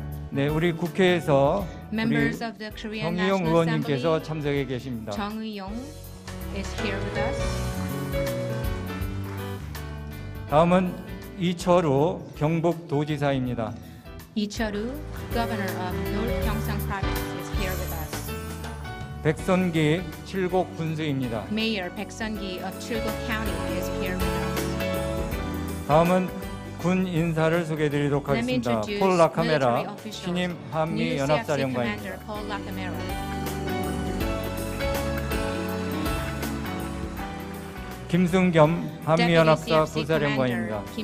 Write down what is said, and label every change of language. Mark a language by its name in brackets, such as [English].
[Korean] 네, 우리 국회에서 우리 정의용 의원님께서 참석해 계십니다. [English] 정의용 is here with us. [Korean] 다음은 이철우 경북 도지사입니다. [English] 이철우 governor of North Gyeongsang Province is here with us. [Korean] 백선기 칠곡 군수입니다. [English] Mayor 백선기 of Chilgok County is here with us. [Korean] 다음은 군 인사를 소개해 드리도록 하겠습니다. 폴 라카메라 신임 한미 연합사령관입니다. 김승겸 한미연합사 부사령관입니다.